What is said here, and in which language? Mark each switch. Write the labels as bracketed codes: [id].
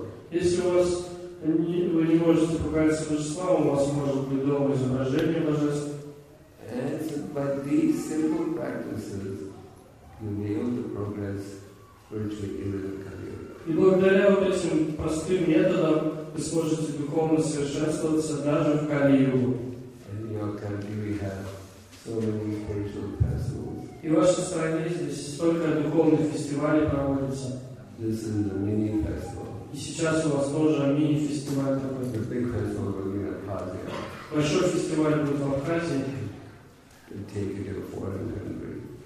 [ru] Если у вас вы не можете поклоняться Божествам, у вас может быть дома изображение Божеств. [en] But these simple practices, you may be able to progress spiritually in the Kali Yuga. [ru] И благодаря вот этим простым методам вы сможете духовно совершенствоваться даже в Кали Югу. [en] In your country we have so many spiritual festivals. [ru] И в вашей стране здесь столько духовных фестивалей проводится. [en] This is a mini festival. [ru] И сейчас у вас тоже мини фестиваль такой. [en] The big festival will be in Abkhazia. [ru] Большой фестиваль будет в Абхазии. [en] And take it to a foreign country.